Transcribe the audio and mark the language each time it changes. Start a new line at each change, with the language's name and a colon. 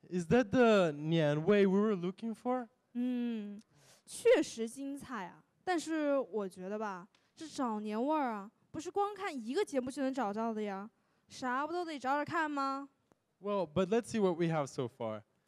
English: Is that the Nian Wei we were looking for?
Chinese: 确实精彩啊，但是我觉得吧，这找年味儿啊，不是光看一个节目就能找到的呀，啥不都得找找看吗？
English: Well, but let's see what we have so far.